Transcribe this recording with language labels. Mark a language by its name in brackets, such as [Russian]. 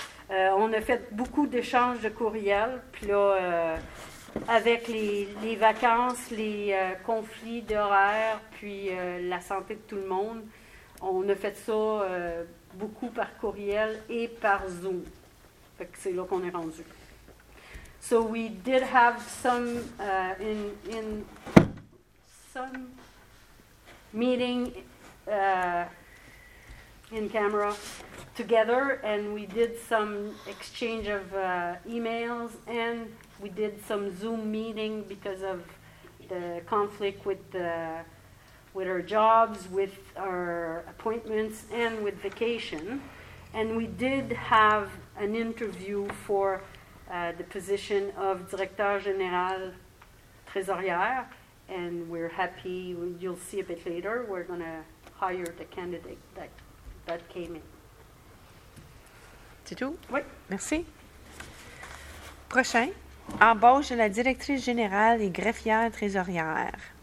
[French] On a fait beaucoup d'échanges de courriels. Puis là, avec les vacances, les conflits d'horaires, puis la santé de tout le monde, on a fait ça beaucoup par courriel et par Zoom. Fait que c'est là qu'on est rendu. [English] So we did have some in some meeting in camera together, and we did some exchange of emails, and we did some Zoom meeting because of the conflict with our jobs, with our appointments, and with vacation. And we did have an interview for the position of Directeur Général Trésorière, and we're happy, you'll see a bit later, we're going to hire the candidate that came in. [French] C'est tout? Oui. Merci. Prochain, embauche de la directrice générale et greffière trésorière.